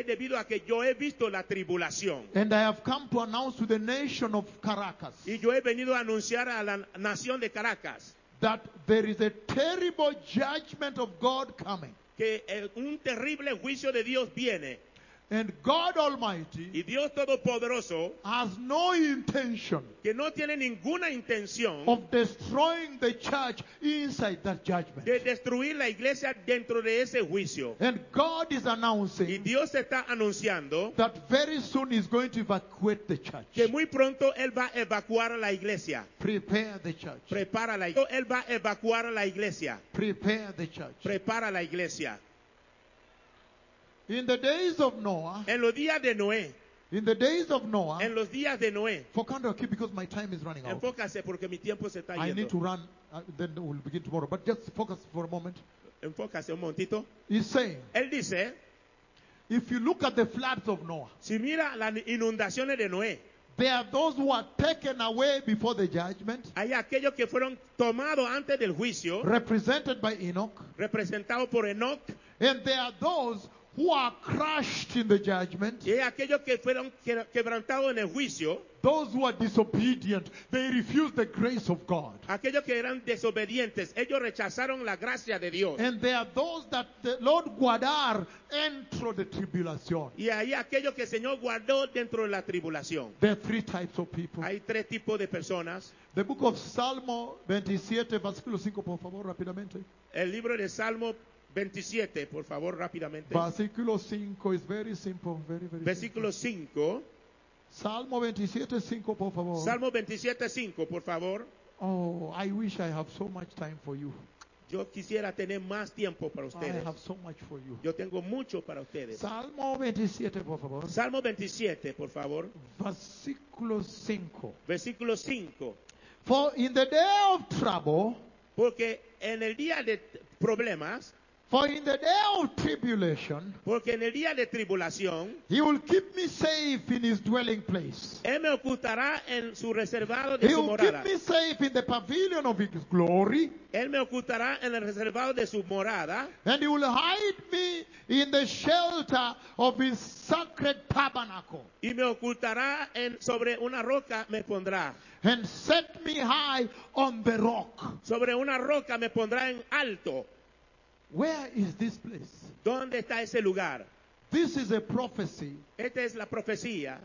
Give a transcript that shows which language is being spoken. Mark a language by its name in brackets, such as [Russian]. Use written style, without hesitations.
[Spanish] Es debido a que yo he visto la tribulación. [English] And I have come to announce to the nation of Caracas. [Spanish] Y yo he venido a anunciar a la nación de Caracas. [English] That there is a terrible judgment of God coming. [Spanish] Que un terrible juicio de Dios viene. [English] And God Almighty, [Spanish] y Dios Todopoderoso, [English] has no intention, [Spanish] que no tiene ninguna intención, [English] of destroying the church inside that judgment. [Spanish] De destruir la iglesia dentro de ese juicio. [English] And God is announcing, [Spanish] y Dios está anunciando, [English] that very soon he's going to evacuate the church. [Spanish] Que muy pronto él va a evacuar la iglesia. [English] Prepare the church. [Spanish] Prepara la iglesia. Él va a evacuar la iglesia. [English] Prepare the church. [Spanish] Prepara la iglesia. [English] In the days of Noah. [Spanish] En los días de Noé. [English] In the days of Noah. [Spanish] En los días de Noé. [English] For candor, keep because my time is running out. [Spanish] Enfócase porque mi tiempo se está yendo. [English] I need to run. Then we'll begin tomorrow. But just focus for a moment. [Spanish] Enfócase un momentito. [English] He's saying. [Spanish] Él dice. [English] If you look at the floods of Noah. [Spanish] Si mira las inundaciones de Noé. [English] There are those who are taken away before the judgment. [Spanish] Hay aquellos que fueron tomados antes del juicio. [English] Represented by Enoch. [Spanish] Representado por Enoch. [English] And there are those who are crushed in the judgment. [Spanish] Y aquellos que fueron quebrantados en el juicio. [English] Those who are disobedient, they refuse the grace of God. [Spanish] Aquellos que eran desobedientes, ellos rechazaron la gracia de Dios. [English] And there are those that the Lord guardar entered the tribulation. [Spanish] Y ahí aquellos que el Señor guardó dentro de la tribulación. [English] There are three types of people. [Spanish] Hay tres tipos de personas. [English] The book of [Spanish] Salmo 27, versículo 5, por favor, rápidamente. El libro de Salmo 27, por favor, rápidamente. [English] Versículo 5 is very simple, very, very [Spanish] versículo simple. 5. Salmo 27, 5, por favor. Salmo 27, 5, por favor. [English] Oh, I wish I have so much time for you. [Spanish] Yo quisiera tener más tiempo para ustedes. [English] I have so much for you. [Spanish] Yo tengo mucho para ustedes. Salmo 27, por favor. Salmo 27, por favor. Versículo 5. Versículo 5. [English] For in the day of trouble, [Spanish] porque en el día de problemas, [English] for in the day of tribulation, [Spanish] porque en el día de tribulación, [English] he will keep me safe in his dwelling place. [Spanish] Él me ocultará en su reservado de [English] he [Spanish] su morada. [English] He will keep me safe in the pavilion of his glory. [Spanish] Él me ocultará en el reservado de su morada. [English] And he will hide me in the shelter of his sacred tabernacle. [Spanish] Y me ocultará en sobre una roca me pondrá. [English] And set me high on the rock. [Spanish] Sobre una roca me pondrá en alto. [English] Where is this place? [Spanish] ¿Dónde está ese lugar? [English] This is a prophecy. [Spanish] Esta es la profecía.